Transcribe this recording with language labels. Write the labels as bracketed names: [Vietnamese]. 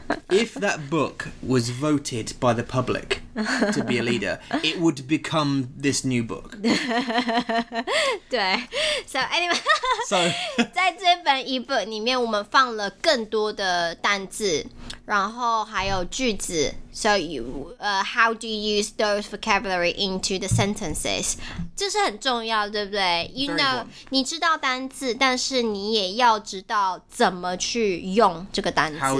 [English] If that book was voted by the public to be a leader, it would become this new book. 对 So anyway, so [Chinese] 在这本 ebook 里面，我们放了更多的单字，然后还有句子。 [English] So you, how do you use those vocabulary into the sentences? [Chinese] 这是很重要，对不对 ？ [English] You know, [Chinese] 你知道单字，但是你也要知道怎么去用这个单字。